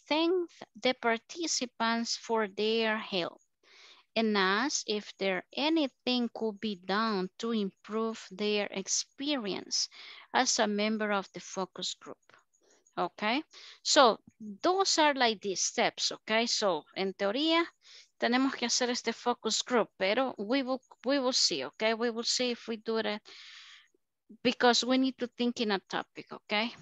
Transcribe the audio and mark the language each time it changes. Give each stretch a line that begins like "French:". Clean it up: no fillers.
English: Thank the participants for their help and ask if there anything could be done to improve their experience as a member of the focus group. Okay, so those are like these steps, okay?
Spanish: So in teoría, tenemos que hacer este focus group, pero
English: we will see, okay? We will see if we do it because we need to think in a topic, okay?